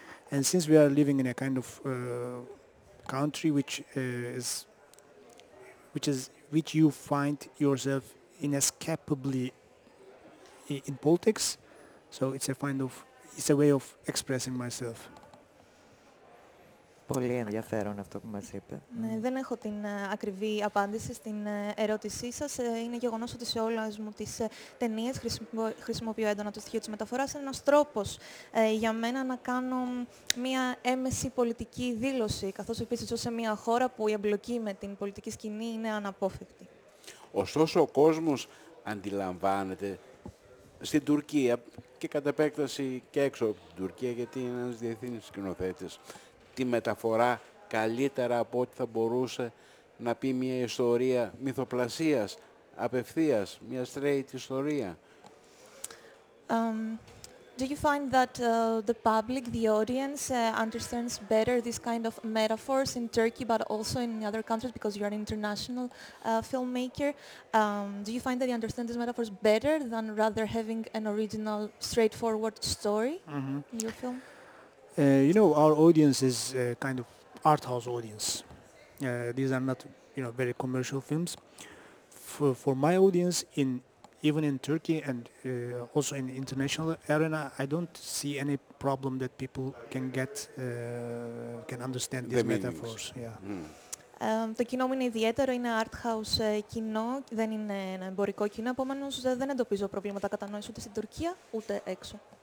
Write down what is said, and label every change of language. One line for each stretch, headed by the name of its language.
English: And since we are living in a kind of country which you find yourself inescapably in politics, so it's a way of expressing myself.
Greek: Πολύ ενδιαφέρον αυτό που μας είπε. Ναι, δεν έχω την ακριβή απάντηση στην ερώτησή σας. Είναι γεγονός ότι σε όλες μου τις ταινίες χρησιμοποιώ έντονα το στοιχείο της μεταφοράς. Είναι ένας τρόπος για μένα να κάνω μία έμεση πολιτική δήλωση, καθώς επίσης ζω σε μία χώρα που η εμπλοκή με την πολιτική σκηνή είναι αναπόφευκτη. Ωστόσο, ο κόσμος αντιλαμβάνεται στην Τουρκία και κατ' επέκταση και έξω από την Τουρκία, γιατί είναι ένας διεθνής σκηνοθέτης, τη μεταφορά καλύτερα από ό,τι θα μπορούσε να πει μια ιστορία μυθοπλασίας, απευθείας, μια straight ιστορία.
English: Do you find that the public, the audience, understands better this kind of metaphors in Turkey, but also in other countries, because you're an international filmmaker? Do you find that you understand these metaphors better than rather having an original, straightforward story in your film? You know, our audience is a kind of art house audience. These are not, you know, very commercial films. For my audience, even in Turkey and also in international arena, I don't see any problem that people can understand these metaphors. Yeah.
Greek: Το κοινό μου είναι ιδιαίτερο, είναι art house κοινό, δεν είναι ένα εμπορικό κοινό, επομένως δεν εντοπίζω προβλήματα κατανόησης ούτε στην Τουρκία, ούτε έξω.